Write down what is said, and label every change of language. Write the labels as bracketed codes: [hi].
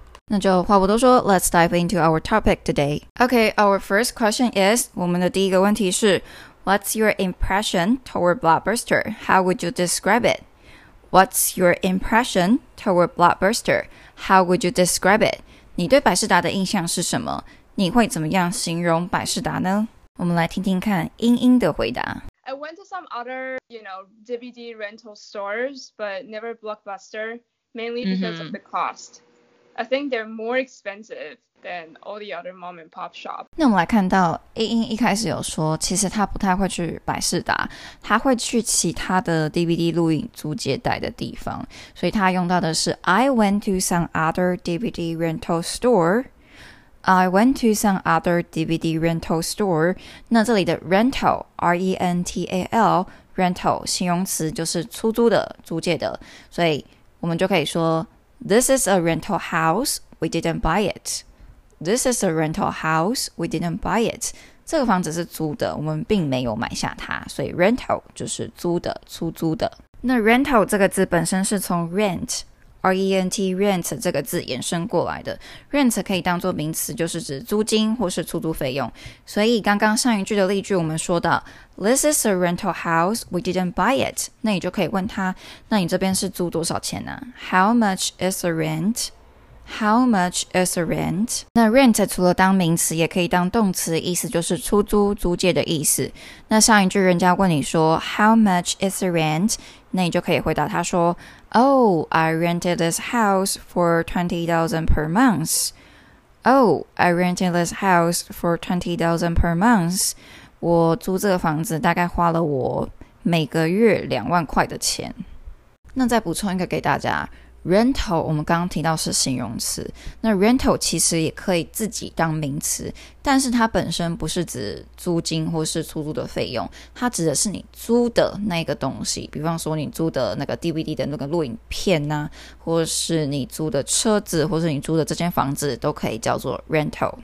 [zh] 那就话不多说， [en] Let's dive into our topic today. Okay, our first question is, [zh] 我们的第一个问题是 [en] What's your impression toward Blockbuster? How would you describe it? What's your impression toward Blockbuster? How would you describe it? [zh] 你对百视达的印象是什么？你会怎么样形容百视达呢？我们来听听看英英的回答。 [en] I went to some other, you know, DVD rental stores, but never Blockbuster, mainly because of the cost. I think they're more expensive than all the other mom and pop shops. [zh] 那我们来看到英英一开始有说，其实她不太会去百视达，她会去其他的 DVD 录影租借带的地方，所以她用到的是 [en] I went to some other DVD rental store. I went to some other DVD rental store. [zh] 那这里的 rental, R-E-N-T-A-L, rental, 形容词就是出租的、租借的。所以我们就可以说 [en] This is a rental house, we didn't buy it. This is a rental house, we didn't buy it. [zh] 这个房子是租的，我们并没有买下它。所以 rental 就是租的、出租的。那 rental 这个字本身是从 rent,R-E-N-T, rent 这个字衍生过来的。 rent 可以当作名词，就是指租金或是出租费用。所以刚刚上一句的例句我们说到 [en] This is a rental house, we didn't buy it. [zh] 那你就可以问他，那你这边是租多少钱呢？ [en] How much is a rent? How much is a rent? [zh] 那 rent 除了当名词也可以当动词，意思就是出租、租借的意思。那上一句人家问你说 [en] How much is a rent? [zh] 那你就可以回答他说 [en] Oh, I rented this house for $20,000 per month. Oh, I rented this house for $20,000 per month. [zh] 我租这个房子大概花了我每个月20,000块的钱。那再补充一个给大家， rental 我们刚刚提到是形容词，那 rental 其实也可以自己当名词，但是它本身不是指租金或是出租的费用，它指的是你租的那个东西，比方说你租的那个 DVD 的那个录影片啊，或是你租的车子，或是你租的这间房子，都可以叫做 rental。